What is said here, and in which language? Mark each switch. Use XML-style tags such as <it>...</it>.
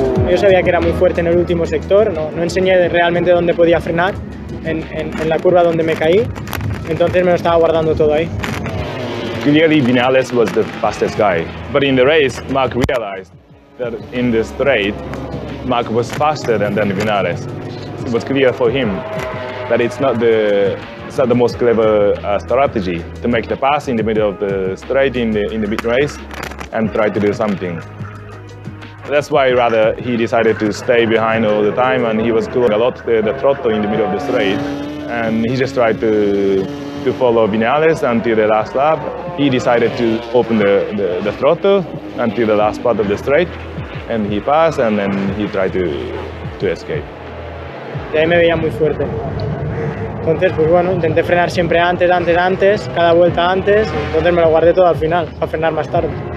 <es>Yo sabía que era muy fuerte en el último sector, no enseñé realmente dónde podía frenar en la curva donde me caí, entonces me lo estaba guardando todo ahí.</es> <en>Clearly Viñales was the fastest guy, but in the race Mark realized that in the straight Mark was faster than Viñales. It was clear for him that it's not the most clever strategy to make the pass in the middle of the straight in the mid race and try to do something. That's why rather he decided to stay behind all the time, and he was doing a lot the trotto in the middle of the straight, and he just tried to follow Viñales until the last lap. He decided to open the trotto until the last part of the straight, and he passed, and then he tried to escape.</en> <es>De ahí me veía muy fuerte. Entonces, pues bueno, intenté frenar siempre antes, cada vuelta antes. Entonces me lo guardé todo al final para frenar más tarde.</es>